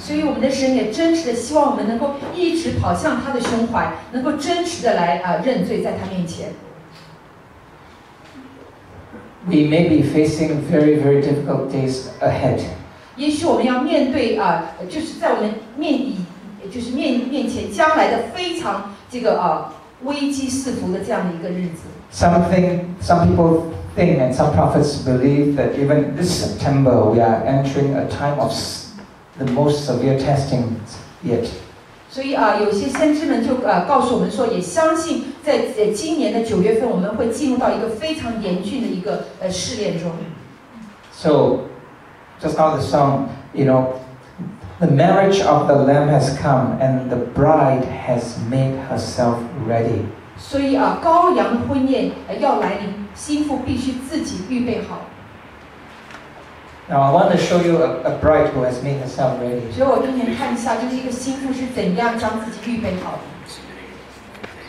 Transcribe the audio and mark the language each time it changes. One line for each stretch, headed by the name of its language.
Chinese: 所以我们的神也真实的希望我们能够一直跑向他的胸怀，能够真实的来认罪在他面前。
English: We may be facing very, very difficult days ahead.
Chinese: 也许我们要面对就是在我们面前将来的非常这个危机四伏的这样的一个日子。
English: Some people think and some prophets believe that even this September we are entering a time of. The most severe testing yet.
Chinese: 所以有些先知们就告诉我们说，也相信在今年的九月份，我们会进入到一个非常严峻的一个试炼中。
English: So, just now the song, you know, the marriage of the Lamb has come, and the bride has made herself ready.
Chinese: 所以羔羊的婚宴要来临，新妇必须自己预备好。
English: Now I want to show you a bride who has made herself ready.
Chinese: 所以我今天看一下，就是一个新妇是怎样将自己预备好的。